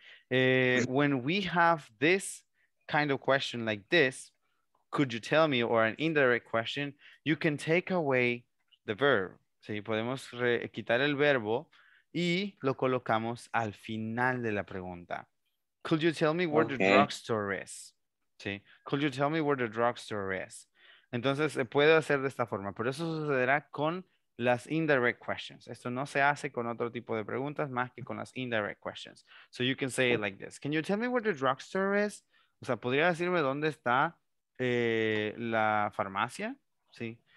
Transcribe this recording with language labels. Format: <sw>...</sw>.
<en>When we have this kind of question like this, could you tell me, or an indirect question, you can take away the verb.</en> <es>Sí, podemos quitar el verbo y lo colocamos al final de la pregunta.</es> <en>Could you tell me where the drugstore is? Sí. Could you tell me where the drugstore is?</en> <es>Entonces, se puede hacer de esta forma, pero eso sucederá con las indirect questions. Esto no se hace con otro tipo de preguntas más que con las indirect questions.</es> <en>So you can say it like this. Can you tell me where the drugstore is?</en> <es>O sea, ¿podría decirme dónde está la farmacia? Sí.</es>